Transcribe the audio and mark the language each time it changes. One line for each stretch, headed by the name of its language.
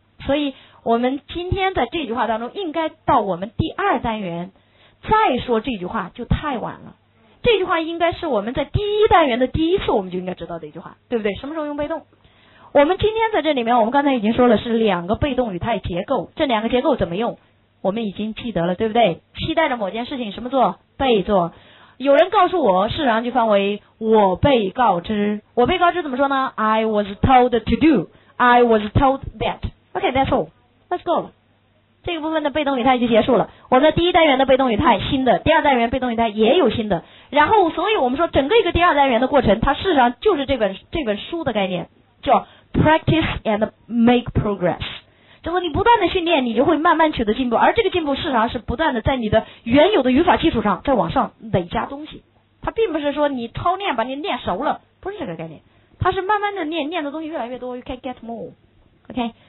Chinese: 所以我们今天在这句话当中应该到我们第二单元再说这句话就太晚了，这句话应该是我们在第一单元的第一次我们就应该知道的一句话，对不对？什么时候用被动？我们今天在这里面我们刚才已经说了是两个被动语态结构，这两个结构怎么用我们已经记得了，对不对？期待着某件事情什么做？被做。有人告诉我，事实上就翻为我被告知。我被告知怎么说呢？
English: I was told to do， I was told that， OK that's all， let's go。
Chinese: 这个部分的被动语态就结束了。我们的第一单元的被动语态新的，第二单元被动语态也有新的，然后所以我们说整个一个第二单元的过程它事实上就是这本书的概念叫
English: practice and make progress，
Chinese: 就是你不断的训练你就会慢慢取得进步，而这个进步事实上是不断的在你的原有的语法基础上再往上累加东西，它并不是说你操练把你练熟了，不是这个概念，它是慢慢的练，练的东西越来越多，
English: you can get more， OK。